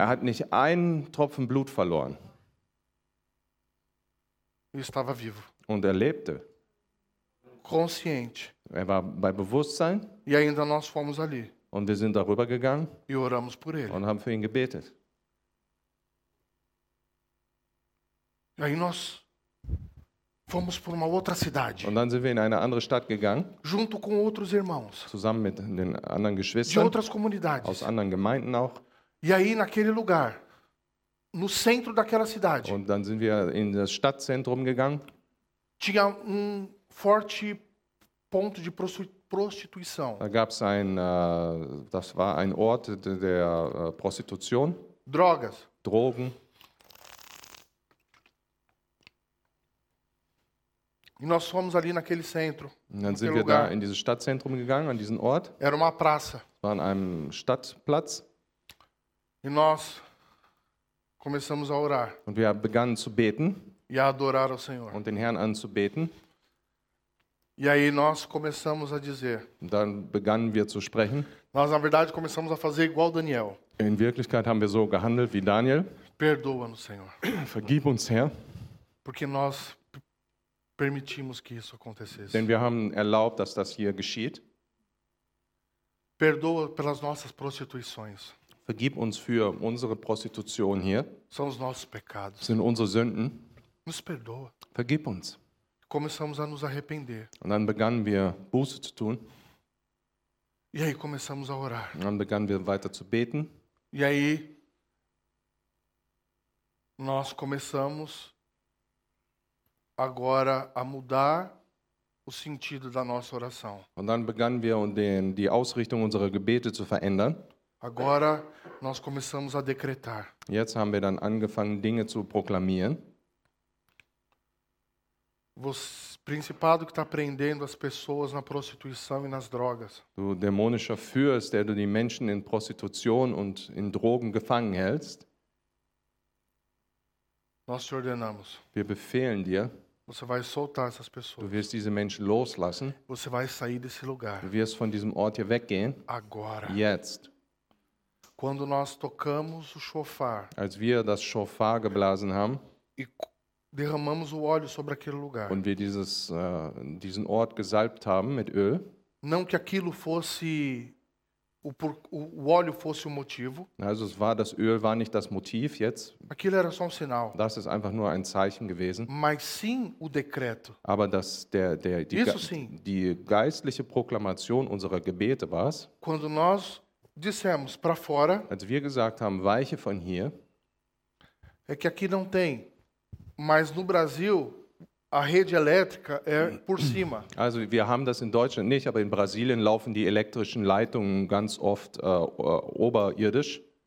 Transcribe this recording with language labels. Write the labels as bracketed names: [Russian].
[German] Er hat nicht einen Tropfen Blut verloren. [Portuguese] Ele estava vivo. [German] Und er lebte. [Portuguese] Consciente. [German] Er war bei Bewusstsein. [Portuguese] E ainda nós fomos ali. [German] Und wir sind darüber gegangen [Portuguese] e oramos por ele. [German] Und haben für ihn gebetet. [Portuguese] E aí nós fomos por uma outra cidade. [German] Und dann sind wir in eine andere Stadt gegangen. [Portuguese] Junto com outros irmãos. [German] Zusammen mit den anderen Geschwistern. [Portuguese] De outras comunidades. [German] Aus anderen Gemeinden auch. [Portuguese] E aí naquele lugar, no centro daquela cidade. [German] Und dann sind wir in das Stadtzentrum gegangen. [Portuguese] Tinha um forte ponto de prostituição. [German] Da gab es ein, das war ein Ort der Prostitution. [Portuguese] Drogas. [German] Drogen. [Portuguese] E nós fomos ali naquele centro. [German] Dann sind wir lugar. Da in dieses Stadtzentrum gegangen, an diesen Ort. [Portuguese] Era uma praça. [German] War an einem Stadtplatz. [Portuguese] E nós começamos a orar. [German] Und wir begannen zu beten. [Portuguese] E a adorar ao Senhor. [German] Und den Herrn anzubeten. [Portuguese] E aí nós começamos a dizer. [German] Und dann begannen wir zu sprechen. [Portuguese] Nós na verdade começamos a fazer igual Daniel. [German] In Wirklichkeit haben wir so gehandelt wie Daniel. [Portuguese] Perdoa-nos, Senhor. [German] Vergib uns, Herr. [Portuguese] Porque nós permitimos que isso acontecesse. [German] Denn wir haben erlaubt, dass das hier geschieht. [Portuguese] Perdoa pelas nossas prostituições. [German] Vergib uns für unsere Prostitution hier. [Portuguese] São os nossos pecados. [German] Sind unsere Sünden. [Portuguese] Nos perdoa. [German] Vergib uns. [Portuguese] Começamos a nos arrepender. [German] Und dann begannen wir Buße zu tun. [Portuguese] E aí começamos a orar. [German] Und dann begannen wir weiter zu beten. [Portuguese] E aí nós começamos agora a mudar o sentido da nossa oração. [German] Und dann begannen wir die Ausrichtung unserer Gebete zu verändern. [Portuguese] Agora nós começamos a decretar. [German] Jetzt haben wir dann angefangen Dinge zu proklamieren. [Portuguese] O principado que está prendendo as pessoas na prostituição e nas drogas. [German] Du dämonischer Führer, der du die Menschen in Prostitution und in Drogen gefangen hältst. [Portuguese] Nós te ordenamos. [German] Wir befehlen dir. [Portuguese] Você vai soltar essas pessoas. [German] Du wirst diese Menschen loslassen. [Portuguese] Você vai sair desse lugar. [German] Du wirst von diesem Ort hier weggehen. [Portuguese] Agora. [German] Jetzt. [Portuguese] Quando nós tocamos o shofar. [German] Als wir das Shofar geblasen haben. [Portuguese] E derramamos o óleo sobre aquele lugar. [German] Und wir dieses diesen Ort gesalbt haben mit Öl. [Portuguese] Não que aquilo fosse o óleo fosse o motivo. [German] Also es war das Öl war nicht das Motiv jetzt. [Portuguese] Aquilo era só um sinal. [German] Das ist einfach nur ein Zeichen gewesen. [Portuguese] Mas sim o decreto. [German] Aber das der die [Portuguese] Isso sim. [German] Die geistliche Proklamation unserer Gebete war es. [Portuguese] Quando nós dissemos para fora. [German] Als wir gesagt haben, weiche von hier. [Portuguese] É que aqui não tem. Mas no Brasil a rede elétrica é por cima. [German] Also wir haben das in Deutschland nicht, aber in Brasilien laufen die elektrischen Leitungen ganz oft oberirdisch.